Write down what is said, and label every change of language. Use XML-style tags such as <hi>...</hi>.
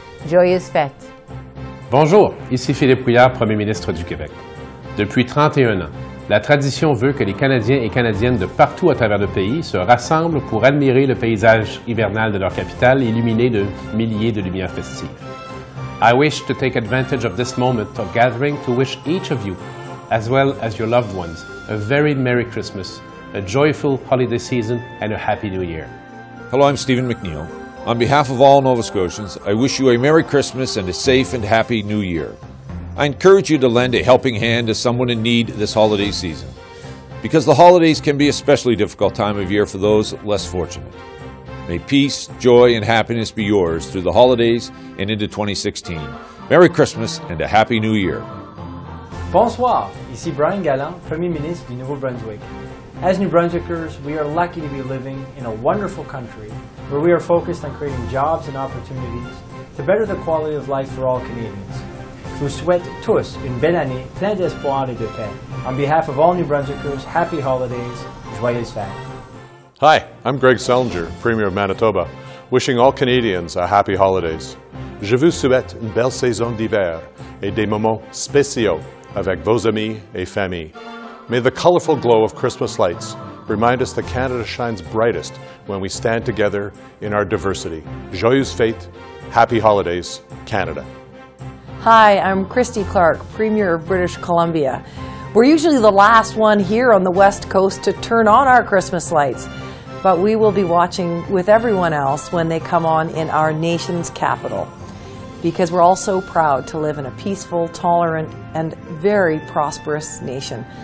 <fr>Joyeuses fêtes. Bonjour, ici Philippe Couillard, Premier ministre du Québec. Depuis 31 ans, la tradition veut que les Canadiens et Canadiennes de partout à travers le pays se rassemblent pour admirer le paysage hivernal de leur capitale illuminé de milliers de lumières festives.</fr> <en>I wish to take advantage of this moment of gathering to wish each of you, as well as your loved ones, a very Merry Christmas, a joyful holiday season, and a Happy New Year. Hello, I'm Stephen McNeil. On behalf of all Nova Scotians, I wish you a Merry Christmas and a safe and Happy New Year. I encourage you to lend a helping hand to someone in need this holiday season, because the holidays can be a especially difficult time of year for those less fortunate. May peace, joy, and happiness be yours through the holidays and into 2016. Merry Christmas and a Happy New Year.</en> <fr>Bonsoir, ici Brian Gallant, Premier Ministre du Nouveau-Brunswick.</fr> <en>As New Brunswickers, we are lucky to be living in a wonderful country where we are focused on creating jobs and opportunities to better the quality of life for all Canadians.</en> <fr>Je vous souhaite tous une belle année, plein d'espoir et de paix.</fr> <en>On behalf of all New Brunswickers, happy holidays,</en> <fr>joyeuses fêtes.</fr> <en>Hi, I'm Greg Selinger, Premier of Manitoba, wishing all Canadians a happy holidays.</en> <fr>Je vous souhaite une belle saison d'hiver et des moments spéciaux avec vos amis et famille.</fr> <en>May the colorful glow of Christmas lights remind us that Canada shines brightest when we stand together in our diversity.</en> <fr>Joyeuse fête,</fr> <en>happy holidays, Canada. Hi, I'm Christy Clark, Premier of British Columbia. We're usually the last one here on the West Coast to turn on our Christmas lights, but we will be watching with everyone else when they come on in our nation's capital, because we're all so proud to live in a peaceful, tolerant, and very prosperous nation.</en>